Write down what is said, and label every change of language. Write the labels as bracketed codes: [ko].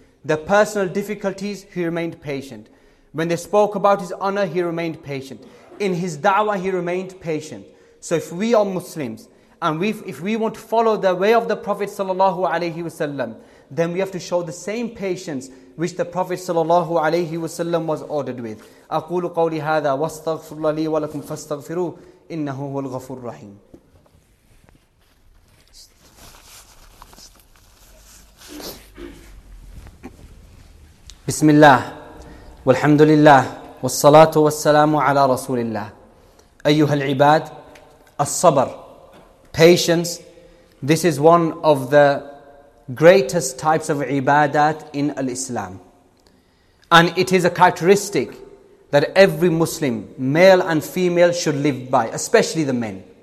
[en] The personal difficulties, he remained patient. When they spoke about his honor, he remained patient. In his da'wah, he remained patient. So if we are Muslims, and if we want to follow the way of the Prophet sallallahu alaihi wasallam, then we have to show the same patience which the Prophet sallallahu alaihi wasallam was ordered with. [ar] أقول قولي هذا واستغفر الله لي ولكم فاستغفروه إنه هو الغفور الرحيم. بسم الله والحمد لله والصلاة والسلام على رسول الله. أيها العباد, [en] الصبر, patience, this is one of the greatest types of ibadat in Islam. And it is a characteristic that every Muslim, male and female, should live by, especially the men.